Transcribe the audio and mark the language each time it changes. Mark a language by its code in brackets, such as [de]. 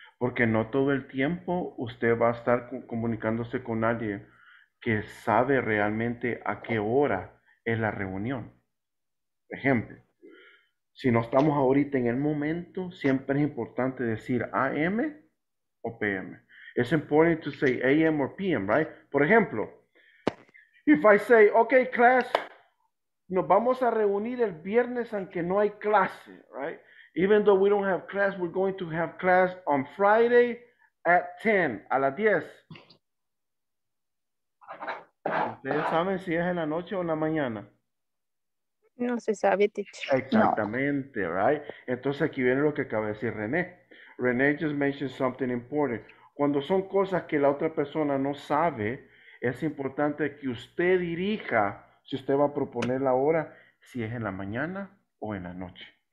[es] Porque no todo el tiempo usted va a estar comunicándose con alguien que sabe realmente a qué hora es la reunión. Ejemplo, si no estamos ahorita en el momento, siempre es importante decir AM o PM. [en] It's important to say AM or PM, right? [es] Por ejemplo, [en] if I say, okay, class, [es] nos vamos a reunir el viernes aunque no hay clase, [en] right? Even though we don't have class, we're going to have class on Friday at 10, [es] a las 10. ¿Ustedes saben si es en la noche o en la mañana? No se sabe, teacher. Exactamente, no. Right? Entonces aquí viene lo que acaba de decir René. [en] René just mentioned something important. [es] Cuando son cosas que la otra persona no sabe, es importante que usted dirija si usted va a proponer la hora, si es en la mañana o en la noche.